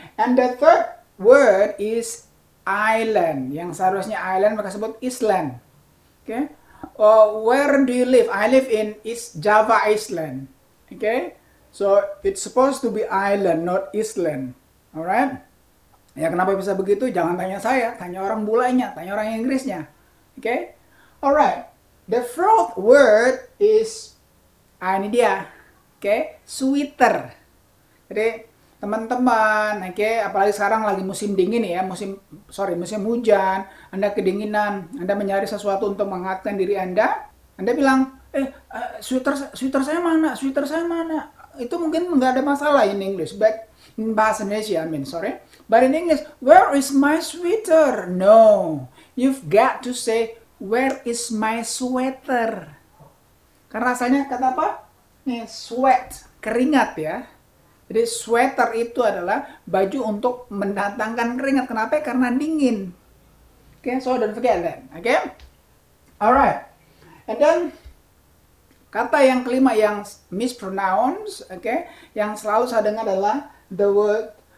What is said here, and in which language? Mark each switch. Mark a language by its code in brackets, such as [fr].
[en] And the third word is island, [id] yang seharusnya island maka sebut island. [en] Okay. Oh, where do you live? I live in East Java Island. Okay. So it's supposed to be island, not island. [id] Alright. Ya kenapa bisa begitu? Jangan tanya saya, tanya orang bulenya, tanya orang Inggrisnya. [en] Okay. Alright. The fourth word is, ini dia. Okay. Sweater. [id] Jadi teman-teman, oke, okay, apalagi sekarang lagi musim dingin ya, musim hujan, Anda kedinginan, Anda mencari sesuatu untuk menghangatkan diri Anda, Anda bilang, sweater saya mana, sweater saya mana, itu mungkin nggak ada masalah [en] in English, but in bahasa Indonesia, I mean, sorry, but in English, where is my sweater? No, you've got to say, where is my sweater? [id] Karena rasanya kata apa? Nih, sweat, keringat ya. Jadi sweater itu adalah baju untuk mendatangkan keringat. Kenapa? Karena dingin. [en] Okay, so don't forget that. Okay? Alright. And then, [id] kata yang kelima yang mispronounced, okay, yang selalu saya dengar adalah the word